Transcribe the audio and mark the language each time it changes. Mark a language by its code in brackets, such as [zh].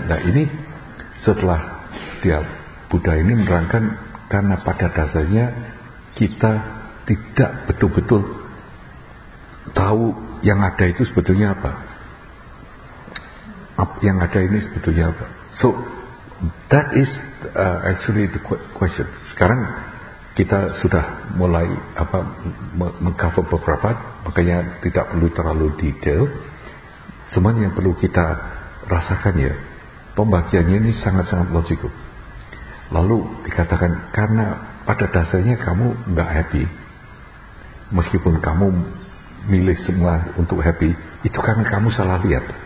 [id] Nah ini setelah tiap Buddha ini menerangkan, karena pada dasarnya kita tidak betul-betul tahu yang ada itu sebetulnya apa. Yang ada ini sebetulnya apa? [en] So that is actually the question. [id] Sekarang kita sudah mulai apa mengcover beberapa, makanya tidak perlu terlalu detail. Cuman yang perlu kita rasakan ya, pembagiannya ini sangat-sangat logical. Lalu dikatakan karena pada dasarnya kamu nggak happy, meskipun kamu milih semua untuk happy, itu karena kamu salah lihat.